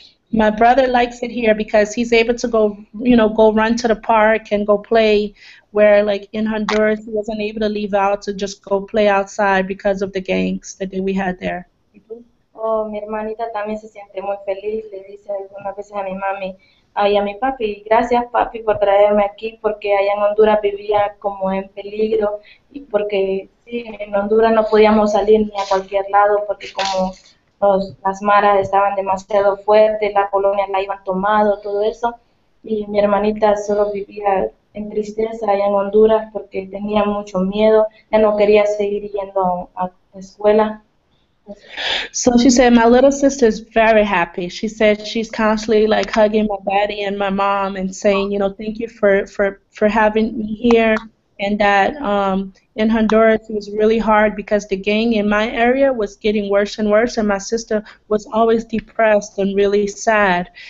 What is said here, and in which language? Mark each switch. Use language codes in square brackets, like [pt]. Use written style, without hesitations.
[en] My brother likes it here because he's able to go, you know, go run to the park and go play, where, like, in Honduras, he wasn't able to leave out to just go play outside because of the gangs that we had there. [es] Oh, mi hermanita también se siente muy feliz. Le dice algunas veces a mi mami, ay, a mi papi, gracias, papi, por traerme aquí, porque allá en Honduras vivía como en peligro, y porque, sí, en Honduras no podíamos salir ni a cualquier lado, porque como... las maras estaban demasiado fuertes, la colonia la iban tomando, todo eso, y mi hermanita solo vivía en tristeza allá en Honduras porque tenía mucho miedo, ya no quería seguir yendo a escuela. [en] So she said, my little sister is very happy. She said she's constantly like hugging my daddy and my mom and saying, you know, thank you for having me here. And that in Honduras, it was really hard because the gang in my area was getting worse and worse, and my sister was always depressed and really sad.